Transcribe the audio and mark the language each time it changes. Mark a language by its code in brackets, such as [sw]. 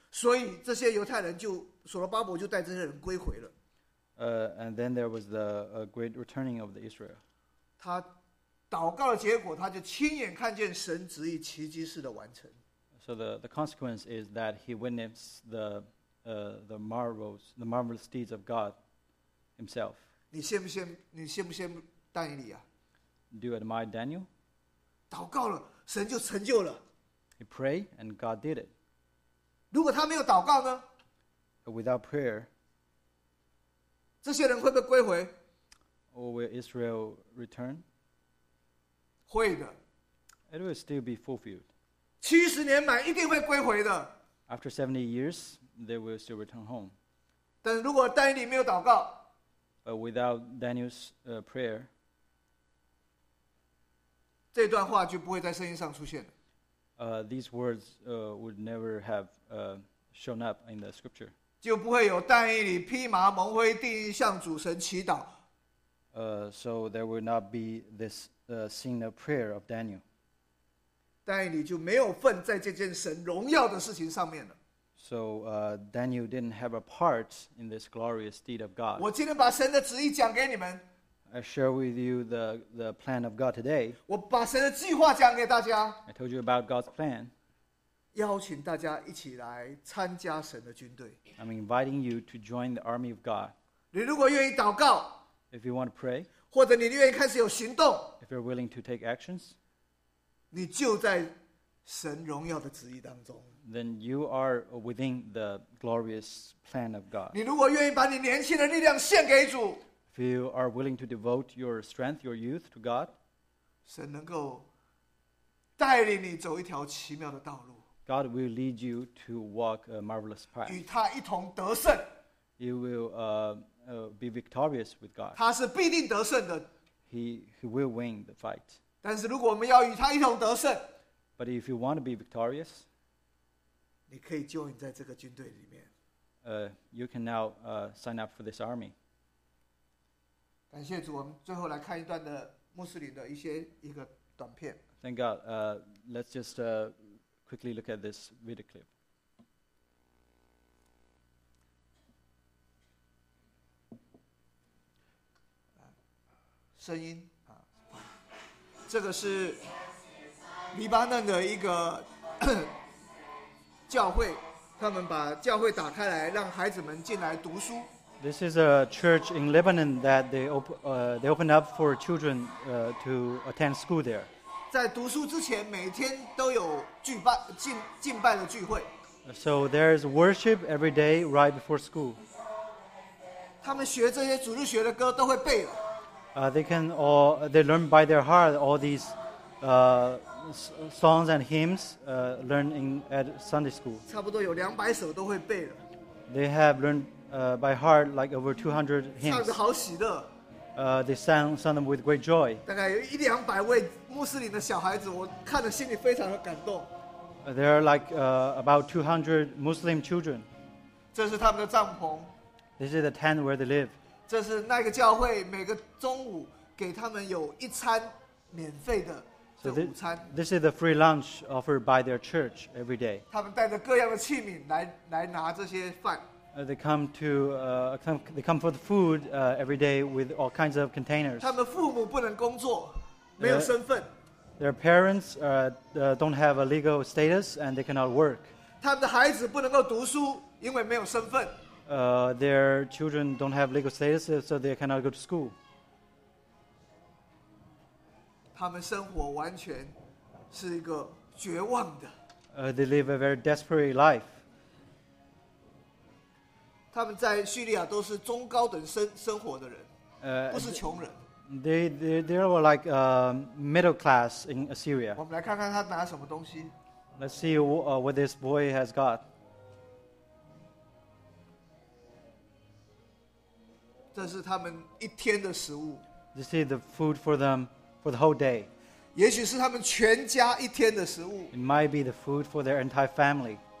[zh] 所以这些犹太人就所罗巴伯就带这些人归回了。 [en] And then there was the great returning of the Israel. [zh] 他祷告的结果，他就亲眼看见神旨意奇迹式的完成。 [en] So the consequence is that he witnessed the marvelous deeds of God himself. [zh] 你羡不羡慕但以理啊? [en] Do you admire Daniel? [zh] 祷告了，神就成就了。 [en] He prayed and God did it. [zh] 如果他没有祷告呢? [en] Without prayer, [zh] 这些人会被归回? [en] Or will Israel return? [zh] 会的。 [en] It will still be fulfilled. [zh] 七十年满一定会归回的。 [en] After 70 years,They will still return home. [zh] 但如果但以理没有祷告, [en] But without Daniel's prayer, [zh] 这段话就不会在圣经上出现了。 [en] These words would never have shown up in the scripture. [zh] 就不会有但以理披麻蒙灰定义向主神祈祷。 [en] So there would not be this scene of prayer of Daniel. [zh] 但以理就没有份在这件神荣耀的事情上面了。 [en] So Daniel didn't have a part in this glorious deed of God. [zh] 我今天把神的旨意讲给你们。 [en] I share with you the plan of God today. [zh] 我把神的计划讲给大家。 [en] I told you about God's plan. [zh] 邀请大家一起来参加神的军队。 [en] I'm inviting you to join the army of God. [zh] 你如果愿意祷告。 [en] If you want to pray. [zh] 或者你愿意开始有行动。 [en] If you're willing to take actions. [zh] 你就在神荣耀的旨意当中。 [en] Then you are within the glorious plan of God. [zh] 你如果愿意把你年轻的力量献给主， [en] If you are willing to devote your strength, your youth to God, [zh] 神能够带领你走一条奇妙的道路。 [en] God will lead you to walk a marvelous path. [zh] 与他一同得胜。 [en] You will be victorious with God. [zh] 他是必定得胜的。 [en] he will win the fight. [zh] 但是如果我们要与他一同得胜， [en] But if you want to be victorious, [zh] 你可以join在这个军队里面。 [en] You can now sign up for this army. [zh] 感谢主，我们最后来看一段的穆斯林的一些一个短片。 [en] Thank God. Let's just quickly look at this video clip. Sound. [zh] 这个是黎巴嫩的一个教会，他们把教会打开来，让孩子们进来读书。 [en] This is a church in Lebanon that they open up for children to attend school there. [zh] 在读书之前，每天都有敬拜的聚会。 [en] So there is worship every day right before school. [zh] 他们学这些主日学的歌都会背了。 [en] They learn by their heart all these songs and hymns learned at Sunday school. [zh] 差不多有两百首都会背了。 [en] They have learned by heart like over 200 hymns. [zh] 唱得好喜乐。 [en] They sang them with great joy. [zh] 大概有一两百位穆斯林的小孩子，我看了心里非常的感动。 [en] There are like about 200 Muslim children. [zh] 这是他们的帐篷。 [en] This is the tent where they live. [zh] 这是那个教会每个中午给他们有一餐免费的午餐。 [en] So this is the free lunch offered by their church every day. [zh] 他们带着各样的器皿来拿这些饭。 [en] They come for the food every day with all kinds of containers. [zh] 他们父母不能工作，没有身份。 [en] Their parents don't have a legal status and they cannot work. [zh] 他们的孩子不能够读书，因为没有身份。 [en] Their children don't have legal status, so they cannot go to school. [zh] 他们生活完全是一个绝望的。 [en] They live a very desperate life. [zh] 他们在叙利亚都是中高等生活的人，不是穷人。 [en] They were like middle class in Assyria. [zh] 我们来看看他拿什么东西。 [en] Let's see what this boy has got. [zh] 这是他们一天的食物。 [en] This is the food for them for the whole day. [zh] 也许是他们全家一天的食物。 [en] It might be the food for their entire family.